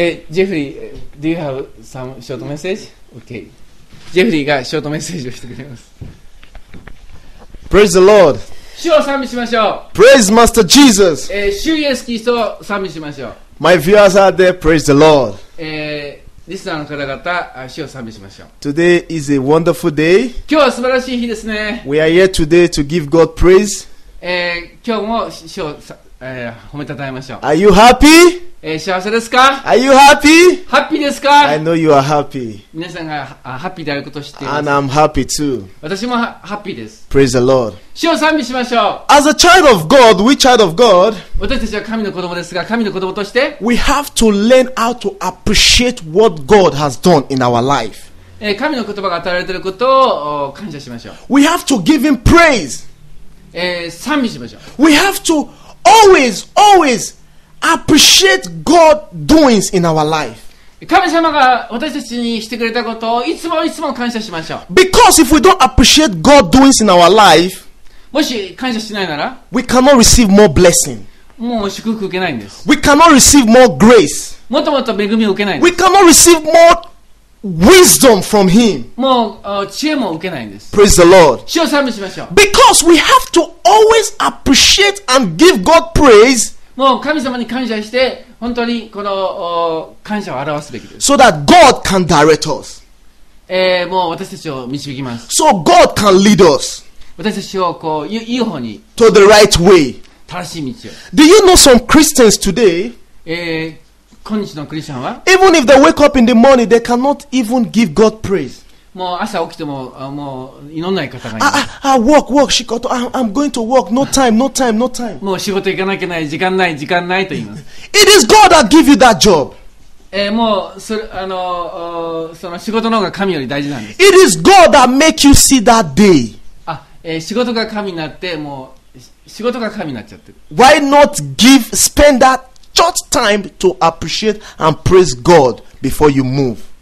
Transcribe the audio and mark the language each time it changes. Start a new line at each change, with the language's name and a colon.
English: ジェフリー、do you have some short message? Okay.
Japanese: ジェフリーがショートメッセージをしてくれます。
English: Praise the Lord.
Japanese: 主を賛美しましょう。
English: Praise Master Jesus.
Japanese: 主イエスキリストを賛美しましょう。
English: My viewers out there, praise the Lord.
Japanese: リスナーの方々、主を賛美しましょう。
English: Today is a wonderful day.
Japanese: 今日は素晴らしい日ですね。
English: We are here today to give God praise.
Japanese: 今日も主を褒めたたえましょう。
English: Are you happy?
Japanese: 幸せですか?
English: Are you happy?
Japanese: ハッピーですか?
English: I know you are happy.
Japanese: 皆さんがハッピーであることを知っています
English: 。 And I'm happy too.
Japanese: 私もハッピーです。
English: Praise the Lord.
Japanese: 主を賛美しましょう。
English: As a child of God, we child of God,
Japanese: 私たちは神の子供ですが、神の子供として、
English: we have to learn how to appreciate what God has done in our life.
Japanese: 神の言葉が与えられていることを感謝しましょう。
English: We have to give Him praise.
Japanese: 賛美しましょう。
English: We have to always, always,appreciate God doings in our life.
Japanese: 神様が私たちにしてくれたことをいつもいつも感謝しましょう。
English: Because if we don't appreciate God doings in our life,
Japanese: もし感謝しないなら、
English: we cannot receive more blessing.
Japanese: もう祝福受けないんです。
English: We cannot receive more grace.
Japanese: もっともっと恵みを受けないんです。
English: We cannot receive more wisdom from Him.
Japanese: もう知恵も受けないんです。
English: Praise the Lord.
Japanese: 主を賛美しましょう。
English: Because we have to always appreciate and give God praise.
Japanese: もう神様に感謝して本当にこの感謝を表すべきです。
English: So that God can direct us.
Japanese: もう私たちを導きます。
English: So God can lead us.
Japanese: 私たちをこう良い方に。
English: To the right way.
Japanese: 正しい道を。
English: Do you know some Christians today?
Japanese: 今日のクリスチャンは
English: Even if they wake up in the morning, they cannot even give God praise.
Japanese: もう朝起きてももう祈らない方がいます。
English: Work, 仕事。I'm going to work. No time.
Japanese: もう仕事行かなきゃいけない。時間ないと言います。
English: It is God that give you that job.
Japanese: もうそれその仕事の方が神より大事なんです。
English: It is God that make you see that day.
Japanese: 仕事が神になってもう仕事が神になっちゃってる。
English: Why not spend that short time to appreciate and praise God before you move?